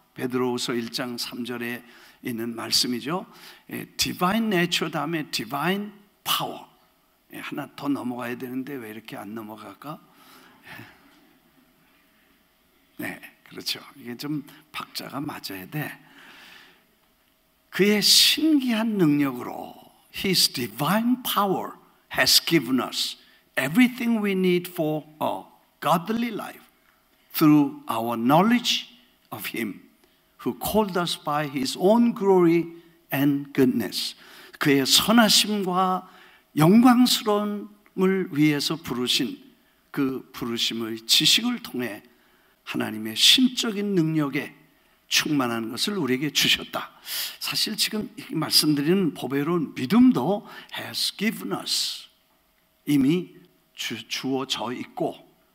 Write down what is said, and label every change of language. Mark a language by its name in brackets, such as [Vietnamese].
[Korean] 베드로후서 1장 3절에 있는 말씀이죠. [English] divine nature 다음에 divine power. [Korean] 하나 더 넘어가야 되는데 왜 이렇게 안 넘어갈까? 네, 그렇죠. 이게 좀 박자가 맞아야 돼. 그의 신기한 능력으로 [English] His divine power has given us everything we need for a godly life through our knowledge of Him who called us by His own glory and goodness. [Korean] 그의 선하심과 영광스러움을 위해서 부르신 그 부르심의 지식을 통해 하나님의 신적인 능력에 충만한 것을 우리에게 주셨다. 사실 지금 말씀드리는 보배로운 믿음도 [English] has given us [Korean] 이미 주어져 있고